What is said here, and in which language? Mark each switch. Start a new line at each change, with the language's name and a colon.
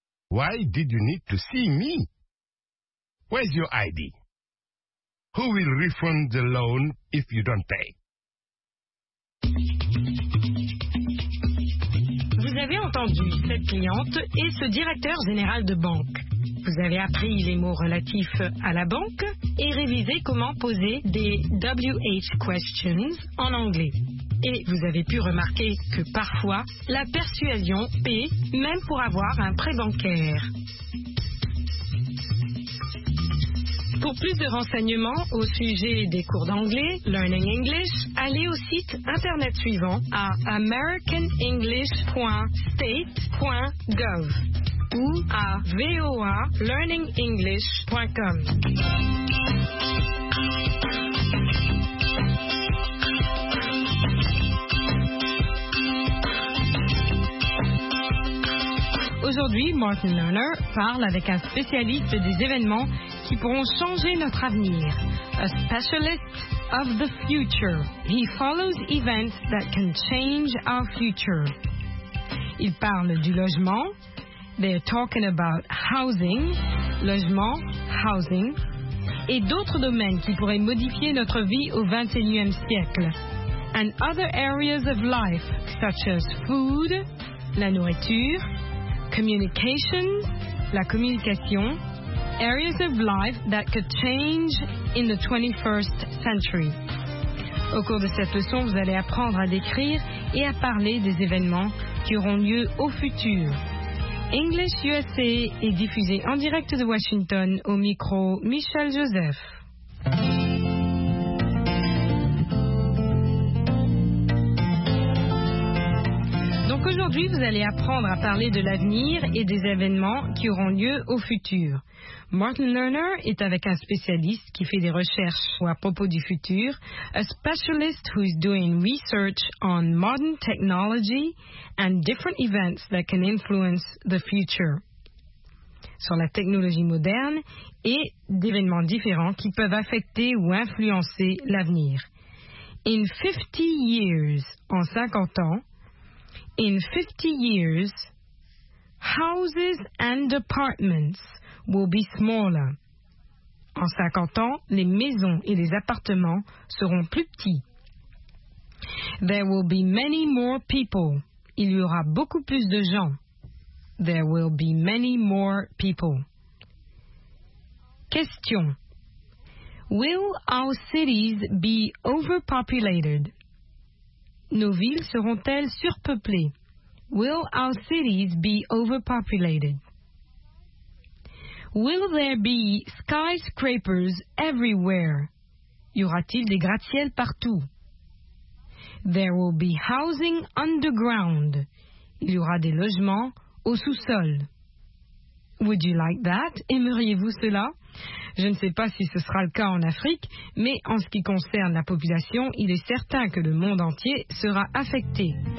English: Why did you need to see me? Where's your ID? Who will refund the loan if you don't pay?
French: Vous avez entendu cette cliente et ce directeur général de banque. Vous avez appris les mots relatifs à la banque et révisé comment poser des WH questions en anglais. Et vous avez pu remarquer que parfois, la persuasion paie même pour avoir un prêt bancaire. Pour plus de renseignements au sujet des cours d'anglais, Learning English, allez au site internet suivant à americanenglish.state.gov ou à voalearningenglish.com. Aujourd'hui, Martin Lerner parle avec un spécialiste des événements qui pourront changer notre avenir.
English: A specialist of the future. He follows events that can change our future.
French: Il parle du logement.
English: They're talking about housing.
French: Logement, housing. Et d'autres domaines qui pourraient modifier notre vie au 21e siècle.
English: And other areas of life, such as food, la nourriture. Communication, la communication, areas of life that could change in the 21st century.
French: Au cours de cette leçon, vous allez apprendre à décrire et à parler des événements qui auront lieu au futur. English USA est diffusé en direct de Washington au micro Michel Joseph. Aujourd'hui, vous allez apprendre à parler de l'avenir et des événements qui auront lieu au futur. Martin Lerner est avec un spécialiste qui fait des recherches à propos du futur,
English: a specialist who is doing research on modern technology and different events that can influence the future.
French: Sur la technologie moderne et d'événements différents qui peuvent affecter ou influencer l'avenir.
English: In 50 years,
French: en 50 ans,
English: In 50 years, houses and apartments will be smaller.
French: En 50 ans, les maisons et les appartements seront plus petits.
English: There will be many more people.
French: Il y aura beaucoup plus de gens.
English: There will be many more people. Question. Will our cities be overpopulated?
French: Nos villes seront-elles surpeuplées?
English: Will our cities be overpopulated? Will there be skyscrapers everywhere?
French: Y aura-t-il des gratte-ciels partout?
English: There will be housing underground.
French: Il y aura des logements au sous-sol.
English: Would you like that?
French: Aimeriez-vous cela? Je ne sais pas si ce sera le cas en Afrique, mais en ce qui concerne la population, il est certain que le monde entier sera affecté.